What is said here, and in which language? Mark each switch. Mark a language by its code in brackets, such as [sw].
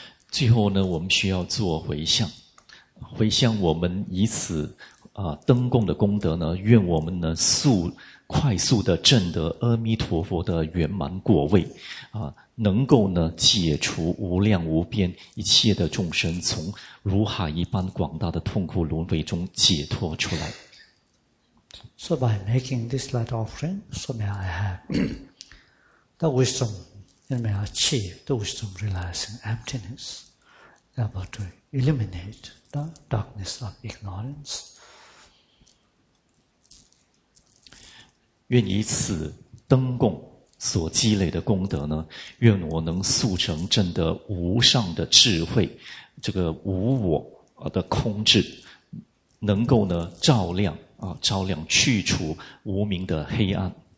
[zh] 最后呢，我们需要自我回向，回向我们以此登供的功德呢，愿我们呢快速的证得阿弥陀佛的圆满果位，能够呢解除无量无边一切的众生从如海一般广大的痛苦轮回中解脱出来。 [en] So by making this light offering, so may I have the wisdom, and may I achieve the wisdom realizing emptiness, able to eliminate the darkness of ignorance. [zh] 愿以此灯供所积累的功德呢，愿我能速成证得无上的智慧，这个无我的空智，能够呢照亮去除无明的黑暗。